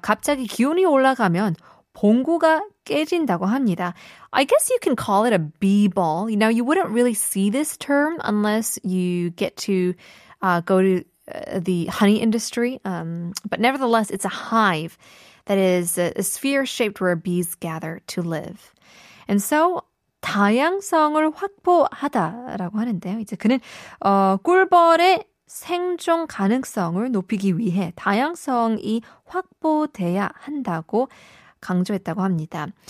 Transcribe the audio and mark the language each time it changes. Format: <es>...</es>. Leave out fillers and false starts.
<ko>갑자기 기온이 올라가면 봉구가 깨진다고 합니다.</ko> <en>I guess you can call it a bee ball. You know, you wouldn't really see this term unless you get to go to the honey industry. But nevertheless, it's a hive that is a sphere shaped where bees gather to live. And so,</en> <ko>다양성을 확보하다라고 하는데요. 이제 그는 꿀벌의 생존 가능성을 높이기 위해 다양성이 확보돼야 한다고 강조했다고 합니다.</ko>